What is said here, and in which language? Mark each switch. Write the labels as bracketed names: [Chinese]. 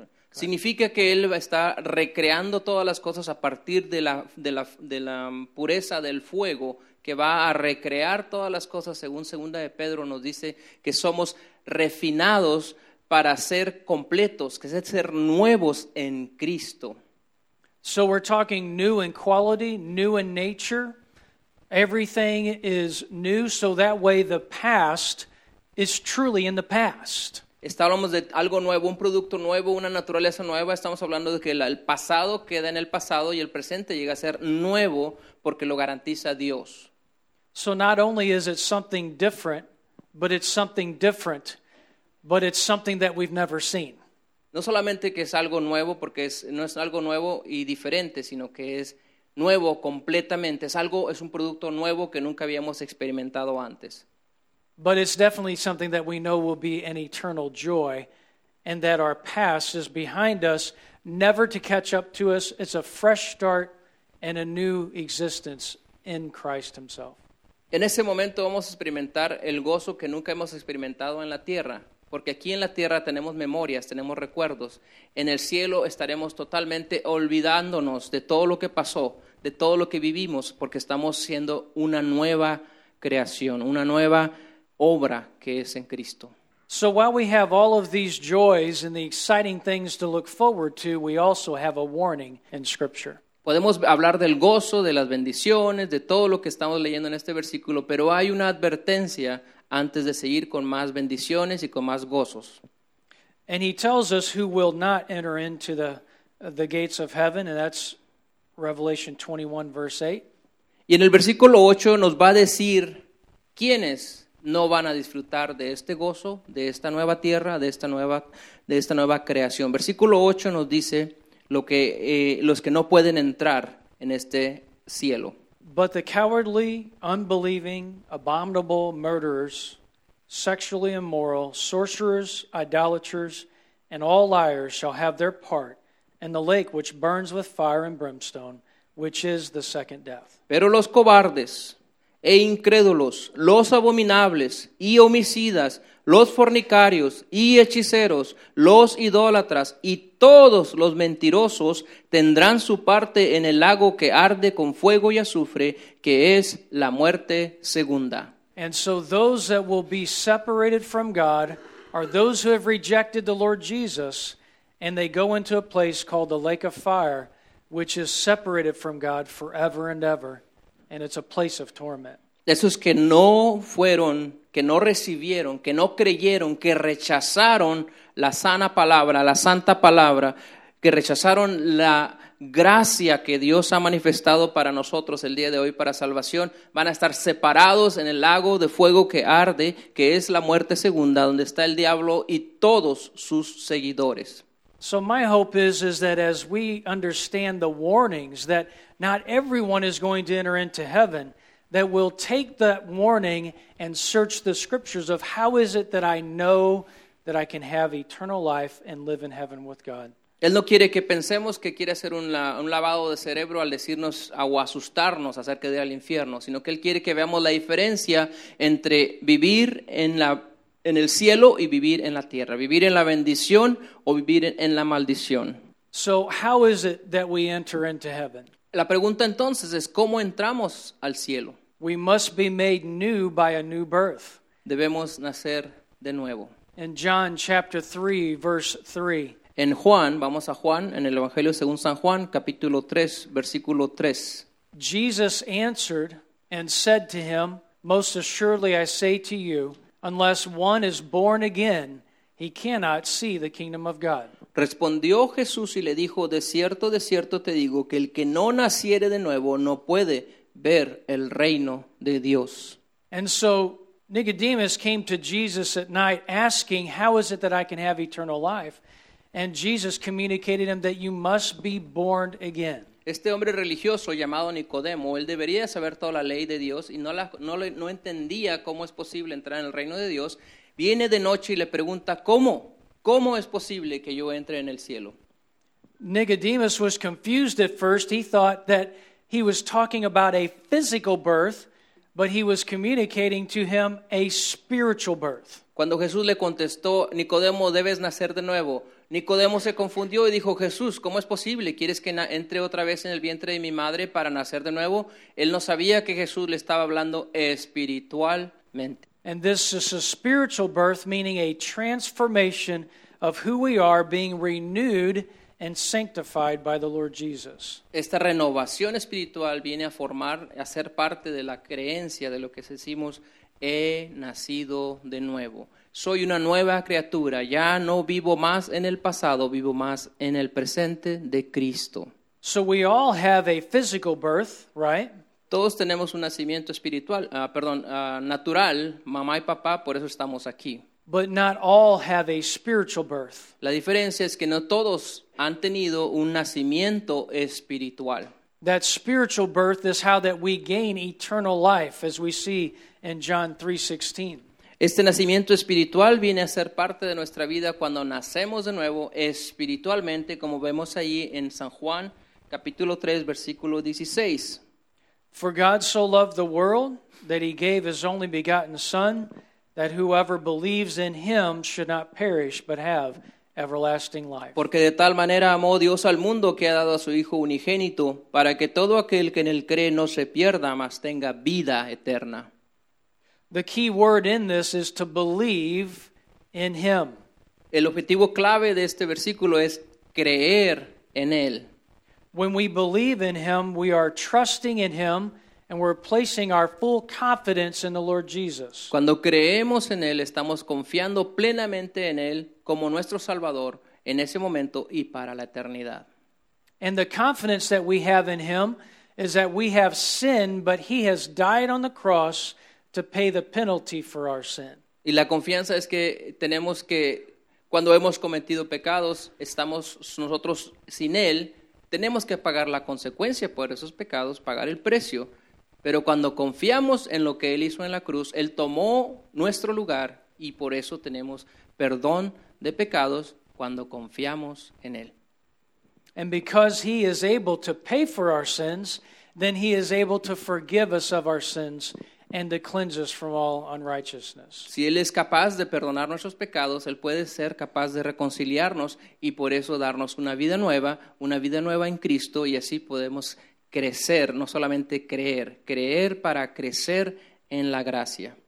[Spanish] Significa que Él está recreando todas las cosas a partir de la pureza del fuego, que va a recrear todas las cosas, según 2 de Pedro nos dice, que somos refinados para ser completos, que es ser nuevos en Cristo. [English] So we're talking new in quality, new in nature. Everything is new, so that way the past is truly in the past. [Spanish] Estábamos de algo nuevo, un producto nuevo, una naturaleza nueva. Estamos hablando de que el pasado queda en el pasado y el presente llega a ser nuevo porque lo garantiza Dios. [English] So not only is it something different, but it's something different, but it's something that we've never seen. [Spanish] No solamente que es algo nuevo, porque no es algo nuevo y diferente, sino que es nuevo completamente. Es un producto nuevo que nunca habíamos experimentado antes. [English] But it's definitely something that we know will be an eternal joy, and that our past is behind us, never to catch up to us. It's a fresh start and a new existence in Christ Himself. [Spanish] En ese momento vamos a experimentar el gozo que nunca hemos experimentado en la tierra, Porque aquí en la tierra tenemos memorias, tenemos recuerdos. En el cielo estaremos totalmente olvidándonos de todo lo que pasó, de todo lo que vivimos, porque estamos siendo una nueva creación, una nueva obra que es en Cristo. [English] So while we have all of these joys and the exciting things to look forward to, we also have a warning in Scripture. [Spanish] Podemos hablar del gozo, de las bendiciones, de todo lo que estamos leyendo en este versículo, pero hay una advertencia antes de seguir con más bendiciones y con más gozos. [English] And he tells us who will not enter into the gates of heaven, and that's Revelation 21, verse 8. [Spanish] Y en el versículo 8 nos va a decir quiénes no van a disfrutar de este gozo, de esta nueva tierra, de esta nueva creación. Versículo 8 nos dice los que no pueden entrar en este cielo. [English] But the cowardly, unbelieving, abominable, murderers, sexually immoral, sorcerers, idolaters, and all liars shall have their part in the lake which burns with fire and brimstone, which is the second death. [Spanish] Pero los cobardes e incrédulos, los abominables y homicidas, los fornicarios y hechiceros, los idólatras y todos los mentirosos tendrán su parte en el lago que arde con fuego y azufre, que es la muerte segunda. [English] And so those that will be separated from God are those who have rejected the Lord Jesus, and they go into a place called the lake of fire, which is separated from God forever and ever, and it's a place of torment. [Spanish] Esos que no fueron, que no recibieron, que no creyeron, que rechazaron la sana palabra, la santa palabra, que rechazaron la gracia que Dios ha manifestado para nosotros el día de hoy para salvación, van a estar separados en el lago de fuego que arde, que es la muerte segunda, donde está el diablo y todos sus seguidores. [English] So my hope is that as we understand the warnings that not everyone is going to enter into heaven, that we'll take that warning and search the scriptures of how is it that I know that I can have eternal life and live in heaven with God. [Spanish] Él no quiere que pensemos que quiere hacer un lavado de cerebro al decirnos o asustarnos acerca de ir al infierno, sino que Él quiere que veamos la diferencia entre vivir en el cielo y vivir en la tierra, vivir en la bendición o vivir en la maldición. [English] So how is it that we enter into heaven? [Spanish] La pregunta entonces es, ¿cómo entramos al cielo? [English] We must be made new by a new birth. [Spanish] Debemos nacer de nuevo. [English] In John chapter 3, verse 3. [Spanish] En Juan, vamos a Juan, en el Evangelio según San Juan, capítulo 3, versículo 3. [English] Jesus answered and said to him, "Most assuredly I say to you, unless one is born again, he cannot see the kingdom of God." [Spanish] Respondió Jesús y le dijo, de cierto te digo, que el que no naciere de nuevo no puede ver el reino de Dios. [English] And so Nicodemus came to Jesus at night asking, how is it that I can have eternal life? And Jesus communicated him that you must be born again. [Spanish] Este hombre religioso llamado Nicodemo, él debería saber toda la ley de Dios y no entendía cómo es posible entrar en el reino de Dios. Viene de noche y le pregunta, ¿cómo? ¿Cómo es posible que yo entre en el cielo? [English] Nicodemus was confused at first. He thought that he was talking about a physical birth, but he was communicating to him a spiritual birth. [Spanish] Cuando Jesús le contestó, Nicodemo, debes nacer de nuevo. Nicodemo se confundió y dijo, Jesús, ¿cómo es posible? ¿Quieres que entre otra vez en el vientre de mi madre para nacer de nuevo? Él no sabía que Jesús le estaba hablando espiritualmente. [English] And this is a spiritual birth, meaning a transformation of who we are, being renewed and sanctified by the Lord Jesus. [Spanish] Esta renovación espiritual viene a formar, a ser parte de la creencia de lo que decimos, he nacido de nuevo. Soy una nueva criatura, ya no vivo más en el pasado, vivo más en el presente de Cristo. [English] So we all have a physical birth, right? [Spanish] Todos tenemos un nacimiento espiritual, natural, mamá y papá, por eso estamos aquí. [English] But not all have a spiritual birth. [Spanish] La diferencia es que no todos han tenido un nacimiento espiritual. [English] That spiritual birth is how that we gain eternal life, as we see in John 3:16. [Spanish] Este nacimiento espiritual viene a ser parte de nuestra vida cuando nacemos de nuevo espiritualmente, como vemos ahí en San Juan, capítulo 3, versículo 16. [English] For God so loved the world that he gave his only begotten Son, that whoever believes in him should not perish but have everlasting life. [Spanish] Porque de tal manera amó Dios al mundo que ha dado a su Hijo unigénito para que todo aquel que en él cree no se pierda, mas tenga vida eterna. [English] The key word in this is to believe in him. [Spanish] El objetivo clave de este versículo es creer en él. [English] When we believe in him, we are trusting in him and we're placing our full confidence in the Lord Jesus. [Spanish] Cuando creemos en él, estamos confiando plenamente en él como nuestro Salvador en ese momento y para la eternidad. [English] And the confidence that we have in him is that we have sinned, but he has died on the cross to pay the penalty for our sin. [Spanish] Y la confianza es que tenemos que, cuando hemos cometido pecados, estamos nosotros sin él, tenemos que pagar la consecuencia por esos pecados, pagar el precio. Pero cuando confiamos en lo que él hizo en la cruz, él tomó nuestro lugar y por eso tenemos perdón de pecados cuando confiamos en él. [English] And because he is able to pay for our sins, then he is able to forgive us of our sins and to cleanse us from all unrighteousness. [Spanish] Si él es capaz de perdonar nuestros pecados, él puede ser capaz de reconciliarnos y por eso darnos una vida nueva en Cristo, y así podemos crecer, no solamente creer, creer para crecer en la gracia.